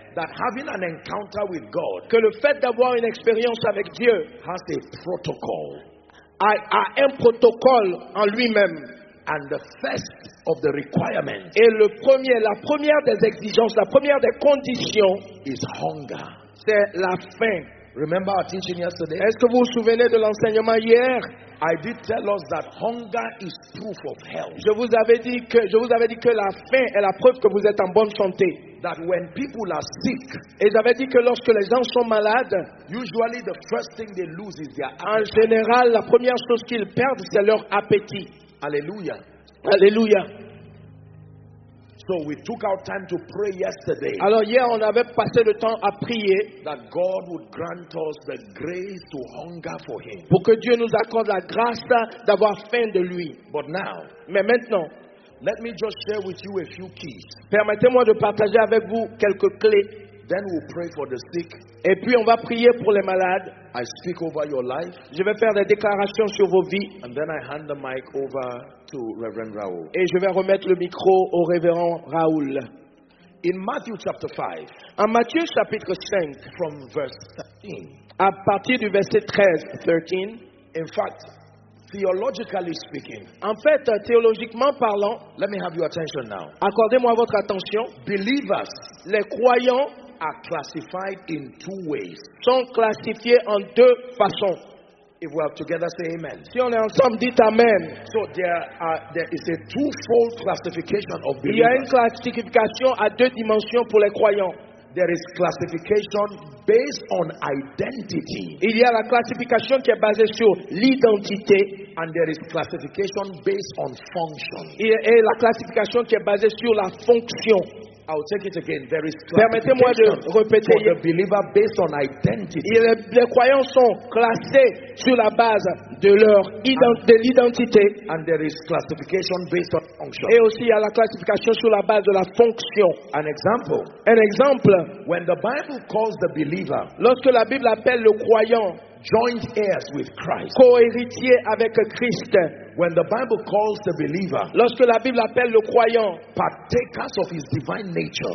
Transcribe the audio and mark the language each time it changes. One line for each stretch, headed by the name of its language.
English: That having an encounter with God,
French: que le fait d'avoir une expérience avec Dieu,
English: has a protocol,
French: a un protocole en lui-même,
English: and the first of the requirements,
French: et la première des exigences, la première des conditions,
English: is hunger,
French: c'est la faim.
English: Remember our teaching yesterday?
French: Est-ce que vous vous souvenez de l'enseignement hier?
English: I did tell us that hunger is proof of health.
French: Je vous avais dit que la faim est la preuve que vous êtes en bonne santé.
English: That when people are sick,
French: et j'avais dit que lorsque les gens sont malades,
English: usually the first thing they lose is their appetite.
French: En général, la première chose qu'ils perdent, c'est leur appétit. Alléluia. Alléluia.
English: So we took our time to pray yesterday.
French: Alors hier, on avait passé le temps à prier.
English: That God would grant us the grace to hunger for Him.
French: Pour que Dieu nous accorde la grâce d'avoir faim de Lui.
English: But now,
French: mais maintenant,
English: let me just share with you a few keys.
French: Permettez-moi de partager avec vous quelques clés.
English: Then we'll pray for the sick.
French: Et puis on va prier pour les malades.
English: I speak over your life.
French: Je vais faire des déclarations sur vos vies.
English: And then I hand the mic over to Reverend Raoul.
French: Et je vais remettre le micro au Révérend Raoul.
English: In Matthew chapter 5.
French: En Matthieu chapitre 5.
English: From verse 13.
French: À partir du verset 13.
English: In fact, theologically speaking,
French: en fait, théologiquement parlant,
English: let me have your attention now.
French: Accordez-moi votre attention.
English: Believers,
French: les croyants,
English: are classified in two ways.
French: Sont classifiés en deux façons.
English: If we are together, say amen.
French: Si on est ensemble, dites amen.
English: So there is a twofold classification of believers.
French: Il y a une classification à deux dimensions pour les croyants.
English: There is classification based on identity.
French: Il y a la classification qui est basée sur l'identité.
English: And there is classification based on function.
French: Et la classification qui est basée sur la fonction.
English: I'll take it again. There is
French: permettez-moi de répéter.
English: For the believer based on identity.
French: Les croyants sont classés sur la base de leur de l'identité.
English: And there is classification based on function.
French: Et aussi il y a la classification sur la base de la fonction. Un exemple.
English: When the Bible calls the believer,
French: lorsque la Bible appelle le croyant
English: joint heirs with Christ,
French: co-héritier avec Christ.
English: When the Bible calls the believer,
French: lorsque la Bible appelle le croyant,
English: partakers of his divine nature,